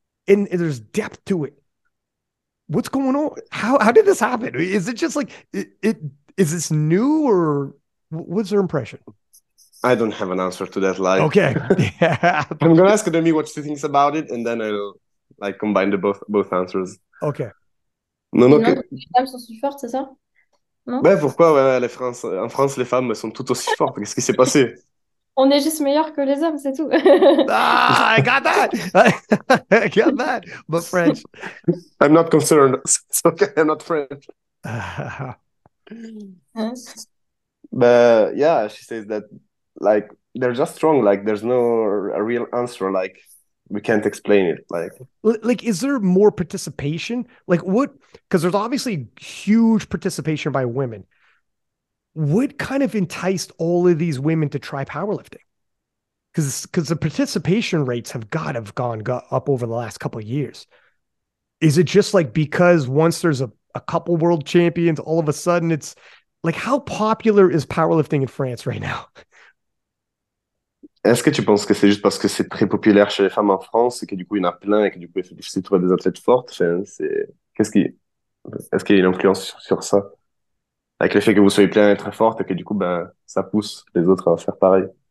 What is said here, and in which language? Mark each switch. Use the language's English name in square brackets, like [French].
[English] And there's depth to it. What's going on? How did this happen? Is it just like Is this new, or what's her impression? I don't have an answer to that. Like, Okay. Yeah. I'm gonna ask Noémie what she thinks about it, and then I'll like combine the both answers. Okay. [French] Non, non, Non, que. toutes les femmes sont si fortes, c'est ça? Non? Ben pourquoi ouais, en France les femmes sont toutes aussi fortes? Qu'est-ce qui s'est passé? On est juste meilleurs que [English] Ah, I got that, but French. I'm not concerned. It's okay, I'm not French. [French] Hein? [English] But yeah, she says that like they're just strong. Like there's no real answer. Like we can't explain it. Like. Like, is there more participation? Like, what? Because there's obviously huge participation by women. What kind of enticed all of these women to try powerlifting? Because the participation rates have got to have gone up over the last couple of years. Is it just like because once there's a couple world champions, all of a sudden it's like, how popular is powerlifting in France right now? [French] Est-ce que tu penses que c'est juste parce que c'est très populaire chez les femmes en France et que du coup il y en a plein et que du coup il faut trouver des athlètes fortes? Enfin, est-ce qu'il y a une influence sur ça? Avec le fait que vous soyez plein et très fortes et que du coup ben, ça pousse les autres à faire pareil?